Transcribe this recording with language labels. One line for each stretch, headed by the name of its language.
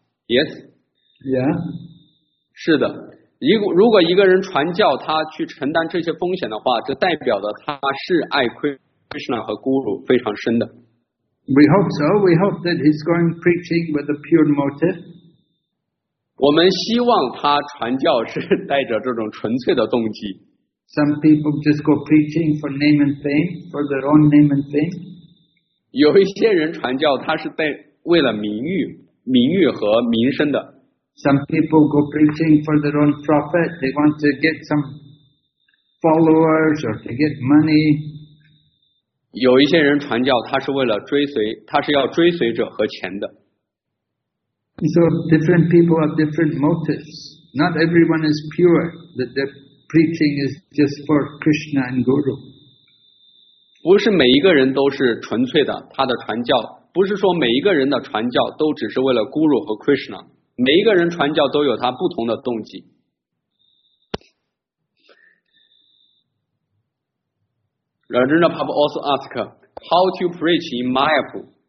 English: Yes. Yeah.
Chinese: 是的，如果一个人传教，他去承担这些风险的话，这代表的他是爱 Krishna 和 Guru 非常深的。
English: We hope so. We hope that he's going preaching with a pure motive.
Chinese: 我们希望他传教是带着这种纯粹的动机。
English: Some people just go preaching for name and fame, for their own name and fame.
Chinese: 有一些人传教，他是为了名誉和名声的。
English: Some people go preaching for their own profit. They want to get some followers or to get money.
Chinese: 有一些人传教，他是为了追随，他是要追随者和钱的。
English: So different people have different motives. Not everyone is pure. That their preaching is just for Krishna and Guru.
Chinese: 不是每一个人都是纯粹的，他的传教不是说每一个人的传教都只是为了 Guru 和 Krishna。每一个人传教都有他不同的动机。
English: Rajendra Prabhu also asked, how to preach in Mayapur?